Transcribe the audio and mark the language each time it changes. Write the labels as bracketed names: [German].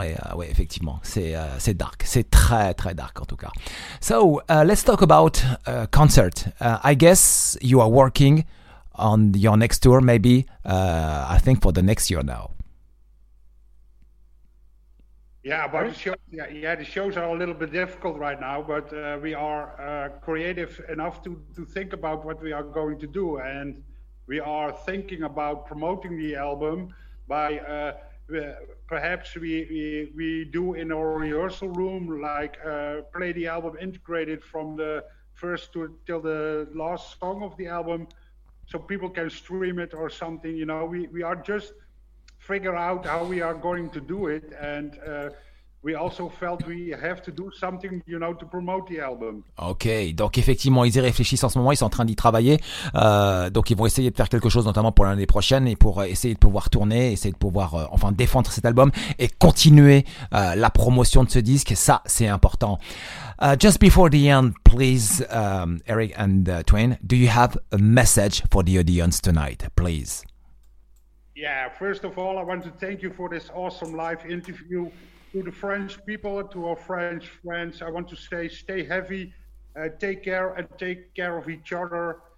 [French] Et ouais, effectivement, c'est dark, c'est très très dark en tout cas. [English] So let's talk about concert. I guess you are working on your next tour, maybe. I think for the next year now. Yeah, but the shows are a little bit difficult right now, but we are creative enough to think about what we are going to do. And we are thinking about promoting the album by perhaps we do in our rehearsal room, like play the album integrated from the first to till the last song of the album, so people can stream it or something. You know, we are just figure out how we are going to do it, and we also felt we have to do something, you know, to promote the album. [French] Okay, donc effectivement, ils y réfléchissent en ce moment, ils sont en train d'y travailler. Donc ils vont essayer de faire quelque chose, notamment pour l'année prochaine, et pour essayer de pouvoir tourner, essayer de pouvoir défendre cet album et continuer la promotion de ce disque. Ça, c'est important. [English] Just before the end, please, Eric and Twain, do you have a message for the audience tonight, please? Yeah, first of all, I want to thank you for this awesome live interview. To the French people, to our French friends, I want to say stay heavy, take care, and take care of each other.